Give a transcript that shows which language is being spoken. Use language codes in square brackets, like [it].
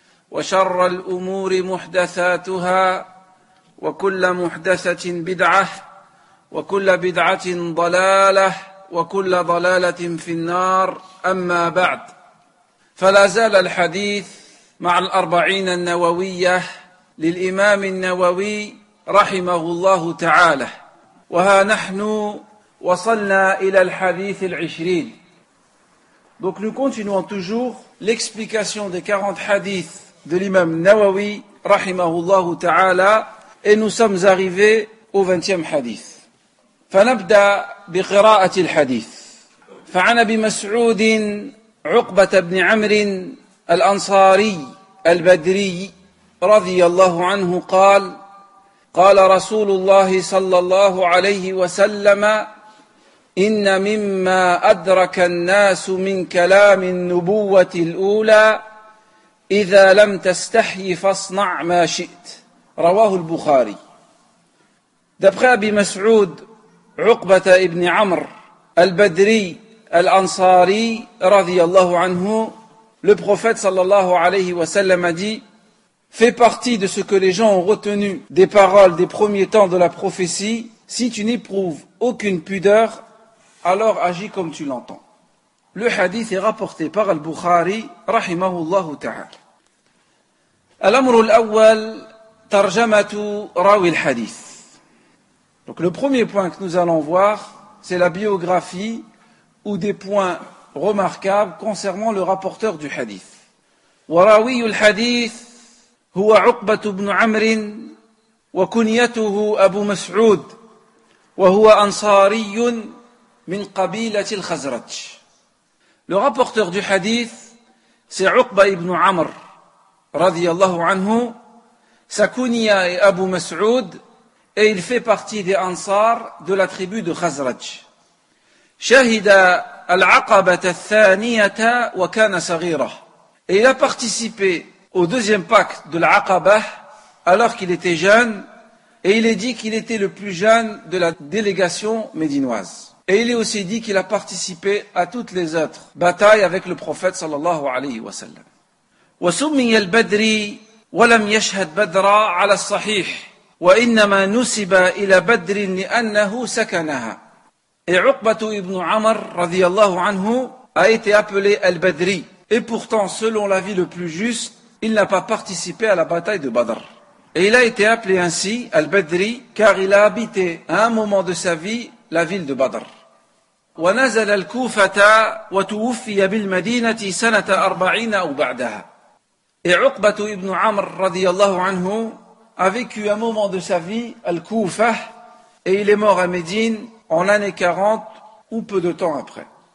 [ar] وشر الأمور محدثاتها وكل محدثة بدعة وكل بدعة ضلالة وكل ضلالة في النار أما بعد فلا زال الحديث مع الأربعين النووية للإمام النووي رحمه الله تعالى وها نحن وصلنا إلى الحديث العشرين. [fr] Donc nous continuons toujours l'explication des 40 hadiths de l'imam Nawawi [ar] رحمه الله تعالى [fr] et nous sommes arrivés au 20e hadith. [ar] فنبدا بقراءه الحديث. فعن ابي مسعود عقبه بن عمرو الانصاري البدري رضي الله عنه قال قال رسول الله صلى الله عليه وسلم ان مما ادرك الناس من كلام النبوه الاولى اذا لم تستحي فاصنع ما شئت رواه البخاري. [fr] D'après ابي مسعود عقبة ابن عمرو البدري الأنصاري [ar] رضي الله عنه [fr] le prophète [ar] sallallahu alayhi wa sallam [fr] a dit fais partie de ce que les gens ont retenu des paroles des premiers temps de la prophétie si tu n'éprouves aucune pudeur alors agis comme tu l'entends. Le hadith est rapporté par al-Bukhari [ar] رحمه الله تعالى. الأمر الأول ترجمة راوي الحديث. [fr] Donc le premier point que nous allons voir, c'est la biographie ou des points remarquables concernant le rapporteur du hadith. [ar] وراوي الحديث هو عقبة بن عمرو وكنيته أبو مسعود وهو أنصاري من قبيلة الخزرج. [fr] Le rapporteur du hadith, c'est عقبة بن عمرو [ar] رضي الله عنه. [fr] Sa kunya est Abu Mas'ud. Et il fait partie des Ansar de la tribu de Khazraj. [ar] Shahida al-Aqabah al-Thaniyah wa kana saghira. [fr] Et il a participé au deuxième pacte de l'Aqabah alors qu'il était jeune. Et il est dit qu'il était le plus jeune de la délégation médinoise. Et il est aussi dit qu'il a participé à toutes les autres batailles avec le prophète [ar] sallallahu alayhi wa sallam. Wa summiya al-Badri wa lam yashhad Badra ala al-Sahih. وإنما نسب إلى بدر لأنه سكنها. [fr] عقبة ابن عمر [ar] رضي الله عنه [fr] a été appelé al-Badri. Et pourtant, selon l'avis le plus juste, il n'a pas participé à la bataille de Badr. Et il a été appelé ainsi al-Badri car il a habité à un moment de sa vie la ville de Badr. [ar] ونزل الكوفة وتوفي بالمدينة سنة 40 أو بعدها. [fr] عقبة ابن عمر [ar] رضي الله عنه [fr] a vécu un moment de sa vie, Al-Kufa, et il est mort à Médine en l'année 40 ou peu de temps après.